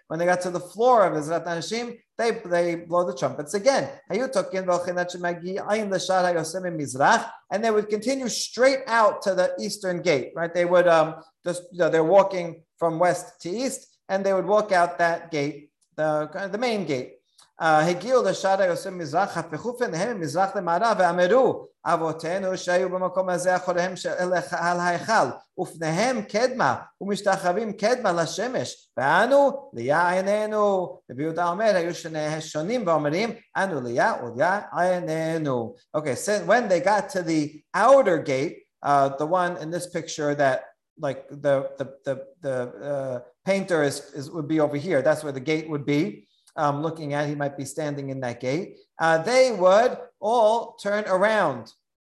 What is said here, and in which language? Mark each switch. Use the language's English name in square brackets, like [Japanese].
[English] When they got to the floor of Ezrat Hashem, they blow the trumpets again. And they would continue straight out to the eastern gate, right? They would they're walking from west to east, and they would walk out that gate, the main gate. [Hebrew] הגיעו לשעד היוסף מזרח, הפכו פניהם מזרח למערב, ואמרו, אבותינו שהיו במקום הזה אחוריהם על ההיכל, ופניהם קדמה, ומשתחווים קדמה לשמש, ואנו ליה עינינו. וביהודה אומר, היו שונים ואומרים, אנו ליה וליה עינינו. [English] Okay, so when they got to the outer gate, the one in this picture that like the painter is would be over here, that's where the gate would be. Looking at, he might be standing in that gate, they would all turn around.